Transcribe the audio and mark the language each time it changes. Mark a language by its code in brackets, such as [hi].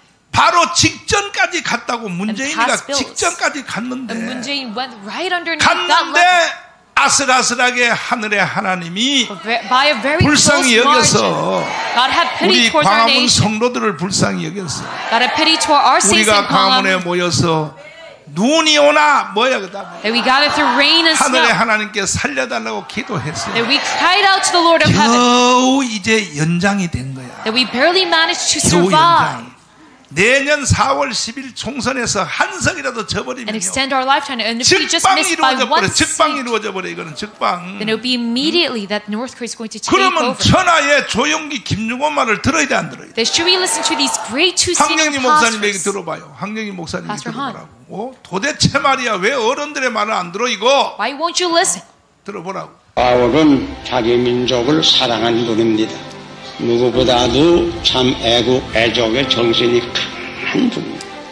[ko] 바로 직전까지 갔다고 문재인이가 직전까지 갔는데 갔는데 아슬아슬하게 하늘의 하나님이 불쌍히 여겨서 우리 광화문 성도들을 불쌍히 여겨서 우리가 광화문에 모여서 눈이 오나 뭐야 그다음에 하늘의 하나님께 살려달라고 기도했어요. 겨우 이제 연장이 된 거야. 겨우 연장. 내년 4월 10일 총선에서 한 석이라도 져버리면요. 즉방 이루어져 버려. 즉방 이루어져 버려. 이거는 즉방. [en] Then it will be immediately that North Korea is going to take over. [ko] 그러면 천하의 조용기 김종원 말을 들어야 돼 안 들어야 돼. [en] Then should we listen to these great two senior pastors? [ko] 황영희 목사님에게 들어봐요. 황영희 목사님 들어보라고. 어? 도대체 말이야 왜 어른들의 말을 안 들어 이거? [en] Why won't you listen? [ko] 들어보라고. 마음은 자기 민족을 사랑한 분입니다. 누구보다도 참 애국 애족의 정신이 강한 분입니다.